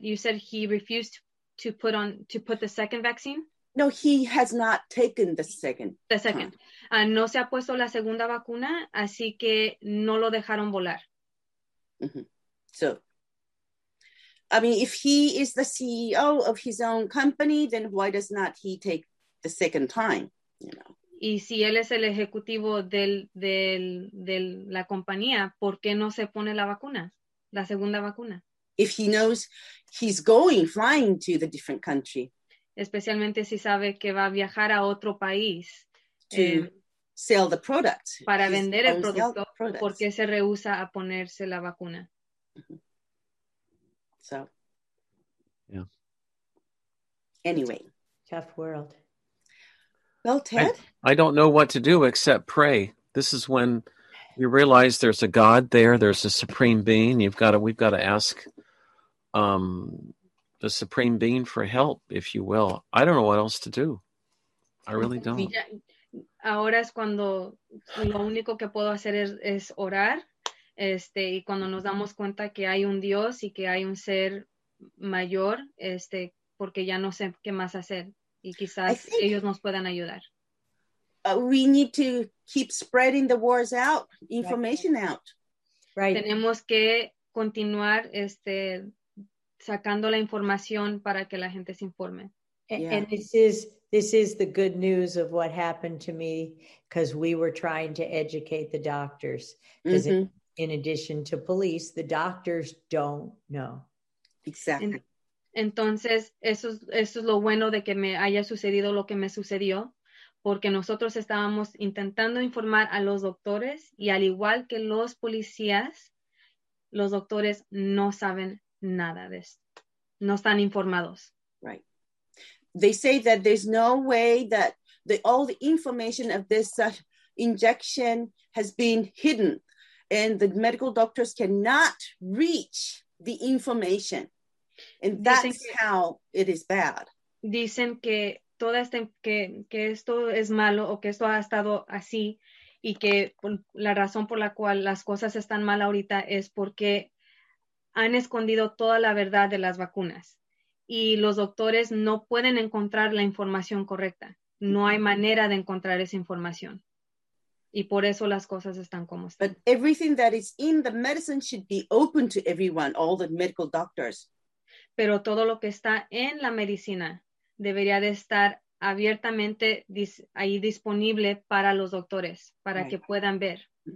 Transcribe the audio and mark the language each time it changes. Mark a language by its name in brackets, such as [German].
[English] You said he refused to put the second vaccine. No, he has not taken the second. The second. [Spanish] No se ha puesto la segunda vacuna, así que no lo dejaron volar. Mm-hmm. [English] So, I mean, if he is the CEO of his own company, then why does not he take the second time? [Spanish] Y si él es el ejecutivo de la compañía, ¿por qué no se pone la vacuna, la segunda vacuna? [English] If he knows he's going, flying to the different country. [Spanish] Especialmente si sabe que va a viajar a otro país [English] to sell the product, [Spanish] para vender el producto, porque se rehúsa a ponerse la vacuna. [English] Mm-hmm. So, yeah. Anyway, tough world. Well, Ted, I don't know what to do except pray. This is when you realize there's a God there, there's a supreme being. We've got to ask. The supreme being for help, if you will. I don't know what else to do. I really don't. [Spanish] Ahora es cuando lo único que puedo hacer es orar, y cuando nos damos cuenta que hay un Dios y que hay un ser mayor, porque ya no sé qué más hacer y quizás ellos nos puedan ayudar. [English] We need to keep spreading the words out, information out. Right. [Spanish] Tenemos que continuar sacando la información para que la gente se informe. [English] Yeah. And this is the good news of what happened to me, because we were trying to educate the doctors. Because mm-hmm. in addition to police, the doctors don't know. Exactly. [Spanish] Entonces, eso es lo bueno de que me haya sucedido lo que me sucedió, porque nosotros estábamos intentando informar a los doctores, y al igual que los policías, los doctores no saben nada de esto. No están informados. [English] Right. They say that there's no way that all the information of this injection has been hidden, and the medical doctors cannot reach the information. And that's how it is bad. [Spanish] Dicen que toda esta que esto es malo, o que esto ha estado así, y que la razón por la cual las cosas están mal ahorita es porque han escondido toda la verdad de las vacunas, y los doctores no pueden encontrar la información correcta. No hay manera de encontrar esa información, y por eso las cosas están como están. [English] But everything that is in the medicine should be open to everyone, all the medical doctors. [Spanish] Pero todo lo que está en la medicina debería de estar abiertamente ahí disponible para los doctores, para [English] right. [Spanish] que puedan ver.